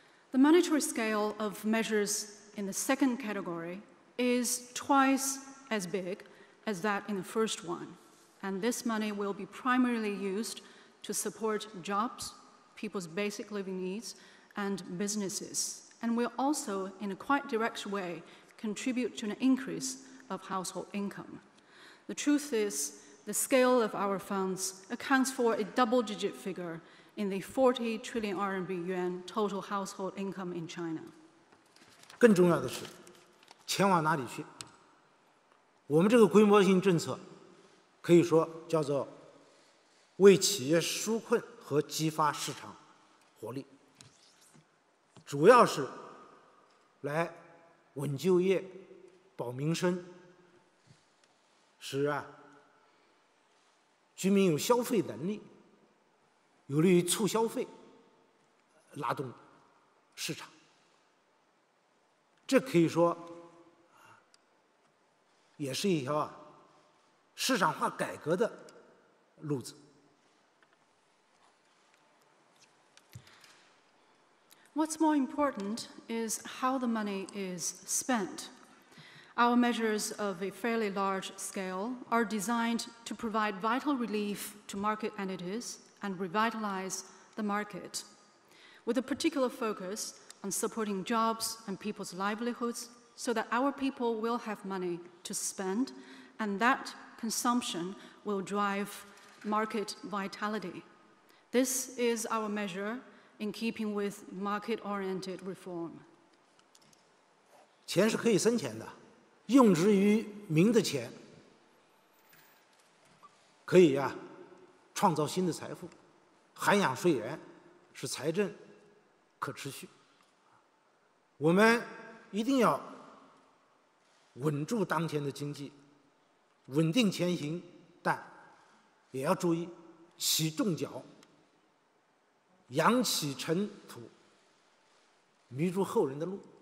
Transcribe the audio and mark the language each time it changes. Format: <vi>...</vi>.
<en>The monetary scale of measures in the second category is twice as big as that in the first one, and this money will be primarily used to support jobs, people's basic living needs, and businesses, and will also, in a quite direct way, contribute to an increase of household income. The truth is, the scale of our funds accounts for a double-digit figure in the 40 trillion RMB yuan total household income in China.</en> <zh>更重要的是，钱往哪里去？我们这个规模性政策可以说叫做为企业纾困和激发市场活力，主要是来稳就业、保民生，使啊居民有消费能力，有利于促消费，拉动市场。这可以说也是一条啊市场化改革的路子。</zh> <en>What's more important is how the money is spent. Our measures of a fairly large scale are designed to provide vital relief to market entities and revitalize the market, with a particular focus on supporting jobs and people's livelihoods so that our people will have money to spend and that consumption will drive market vitality. This is our measure in keeping with market-oriented reform.</en> <zh>钱是可以生钱的，用之于民的钱可以啊创造新的财富，涵养税源，使财政可持续。我们一定要稳住当前的经济，稳定前行，但也要注意起重脚，扬起尘土，迷住后人的路。</zh>